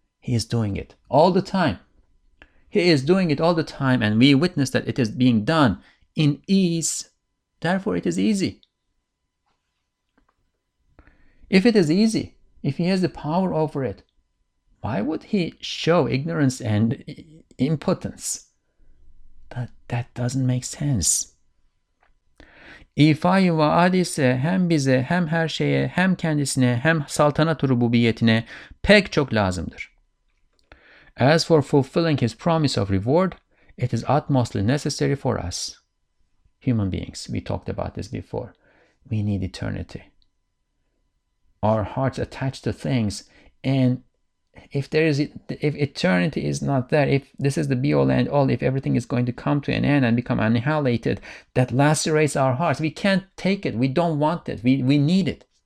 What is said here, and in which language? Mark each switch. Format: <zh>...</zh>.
<en>He is doing it all the time. He is doing it all the time, and we witness that it is being done in ease. Therefore, it is easy. If it is easy, if he has the power over it, why would he show ignorance and impotence? That doesn't make sense.</en> <tr>İfa-yı vaad ise hem bize hem her şeye hem kendisine hem saltanat-ı rububiyetine pek çok lazımdır.</tr> <en>As for fulfilling his promise of reward, it is utmostly necessary for us, human beings. We talked about this before. We need eternity. Our hearts attached to things. And if there is, if eternity is not there, if this is the be all and all, if everything is going to come to an end and become annihilated, that lacerates our hearts. We can't take it. We don't want it. We need it.</en>